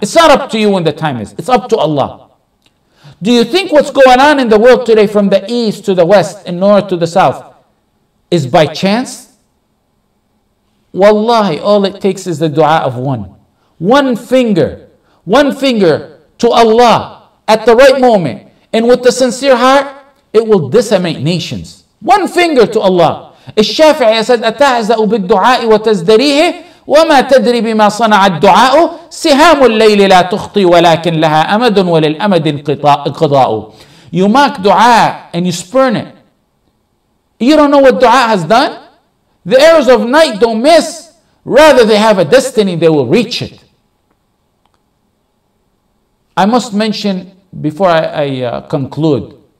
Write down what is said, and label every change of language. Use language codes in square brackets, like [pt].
[en] It's not up to you when the time is. It's up to Allah. Do you think what's going on in the world today from the east to the west and north to the south is by chance? Wallahi, all it takes is the dua of one. One finger to Allah at the right moment and with the sincere heart, it will disseminate nations. One finger to Allah. [ar] الشافعي said, أتعزأ بالدعاء وتزدريه وما تدري بما صنع الدعاء سهام الليل لا تخطي ولكن لها أمد وللأمد قضاء. [en] You mock dua and you spurn it. You don't know what dua has done. The arrows of night don't miss. Rather, they have a destiny. They will reach it. I must mention before I conclude.